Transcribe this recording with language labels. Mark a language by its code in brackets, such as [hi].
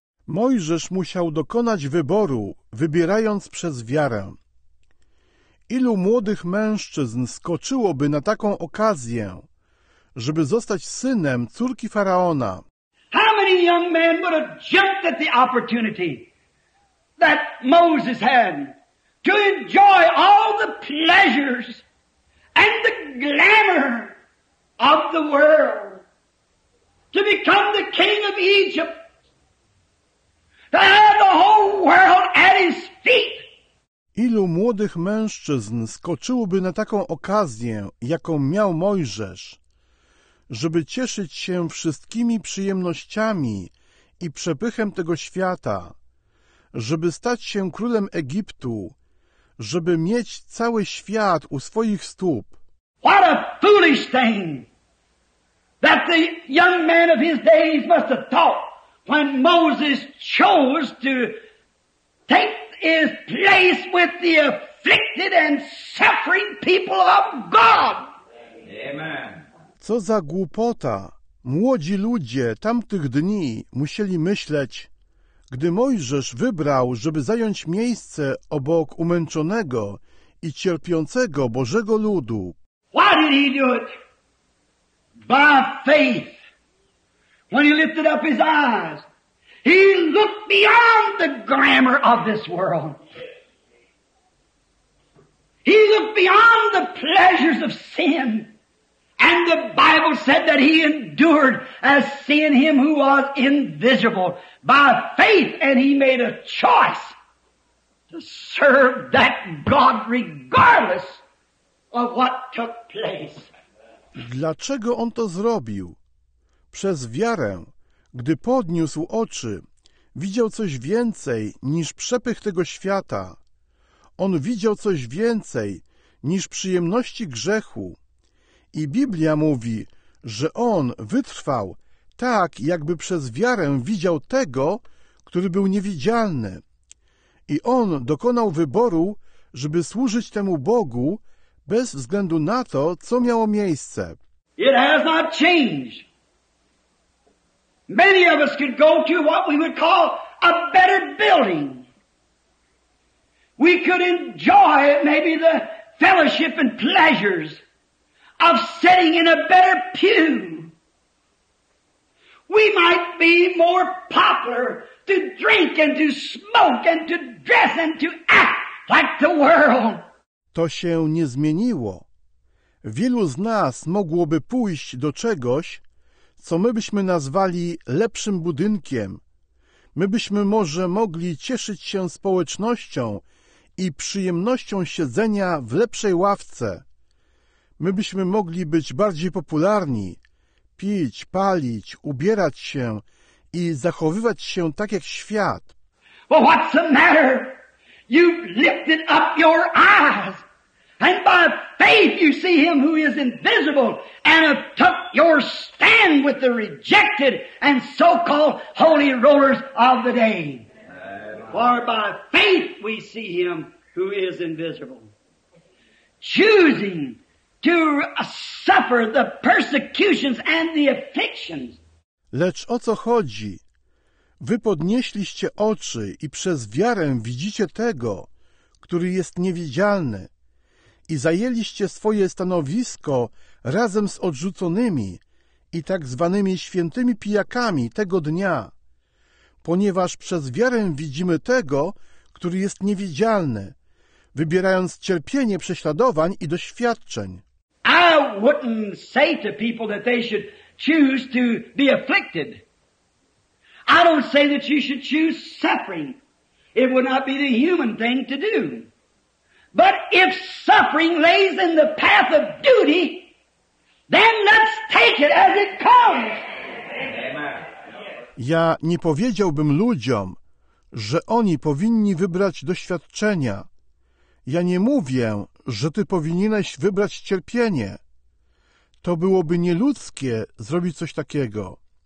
[pl] Mojżesz musiał dokonać wyboru, wybierając przez wiarę. Ilu młodych mężczyzn skoczyłoby na taką okazję, żeby zostać synem córki Faraona? [en] How many young men would have jumped at the opportunity that Moses had to enjoy all the pleasures and the glamour of the world, to become the king of Egypt, to have the whole world at his feet? [pl] Ilu młodych mężczyzn skoczyłoby na taką okazję, jaką miał Mojżesz, żeby cieszyć się wszystkimi przyjemnościami i przepychem tego świata, żeby stać się królem Egiptu, żeby mieć cały świat u swoich stóp? [en] What a foolish thing that the young man of his days must have thought when Moses chose to take his place with the afflicted and suffering people of God. Amen. [pl] Co za głupota! Młodzi ludzie tamtych dni musieli myśleć, gdy Mojżesz wybrał, żeby zająć miejsce obok umęczonego i cierpiącego Bożego ludu. [en] Why did he do it? By faith. When he lifted up his eyes, he looked beyond the glamour of this world. He looked beyond the pleasures of sin. And the Bible said that he endured as seeing him who was invisible by faith, and he made a choice to serve that God regardless of what took place. [pl] Dlaczego on to zrobił? Przez wiarę, gdy podniósł oczy, widział coś więcej niż przepych tego świata. On widział coś więcej niż przyjemności grzechu. I Biblia mówi, że on wytrwał tak, jakby przez wiarę widział tego, który był niewidzialny. I on dokonał wyboru, żeby służyć temu Bogu bez względu na to, co miało miejsce. [en] It has not changed. Many of us could go to what we would call a better building. We could enjoy maybe the fellowship and pleasures of sitting in a better pew. We might be more popular to drink and to smoke and to dress and to act like the world. [pl] To się nie zmieniło. Wielu z nas mogłoby pójść do czegoś, co my byśmy nazwali lepszym budynkiem. My byśmy może mogli cieszyć się społecznością i przyjemnością siedzenia w lepszej ławce. My byśmy mogli być bardziej popularni, pić, palić, ubierać się i zachowywać się tak jak świat. [en] Well, what's the matter? You've lifted up your eyes and by faith you see him who is invisible and have took your stand with the rejected and so-called holy rulers of the day. For by faith we see him who is invisible. Choosing to suffer the persecutions and the afflictions. [pl] Lecz o co chodzi? Wy podnieśliście oczy i przez wiarę widzicie tego, który jest niewidzialny, i zajęliście swoje stanowisko razem z odrzuconymi i tak zwanymi świętymi pijakami tego dnia, ponieważ przez wiarę widzimy tego, który jest niewidzialny, wybierając cierpienie prześladowań i doświadczeń. [en] I wouldn't say to people that they should choose to be afflicted. I don't say that you should choose suffering. It would not be the human thing to do. But if suffering lays in the path of duty, then let's take it as it comes. [pl] Ja nie powiedziałbym ludziom, że oni powinni wybrać doświadczenia. Ja nie mówię, że ty powinieneś wybrać cierpienie. To byłoby nieludzkie zrobić coś takiego.